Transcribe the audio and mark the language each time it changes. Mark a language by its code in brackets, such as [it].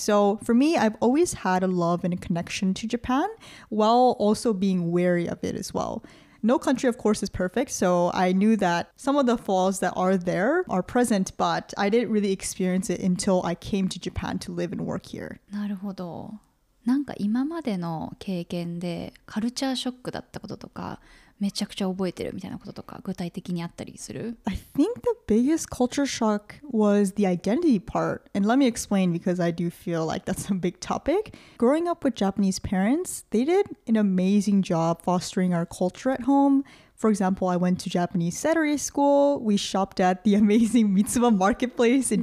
[en] So for me, I've always had a love and a connection to Japan while also being wary of it as well. No country, of course, is perfect, so I knew that some of the flaws that are there are present, but I didn't really experience it until I came to Japan to live and work here. [ja] なるほど。なんか今までの経験でカルチャーショックだったこととか、めちゃくちゃ覚えてるみたいなこととか、具体的にあったりする? [en] I think the biggest culture shock was the identity part. And let me explain because I do feel like that's a big topic. Growing up with Japanese parents, they did an amazing job fostering our culture at home. For example, I went to Japanese Saturday school. We shopped at the amazing Mitsuba marketplace in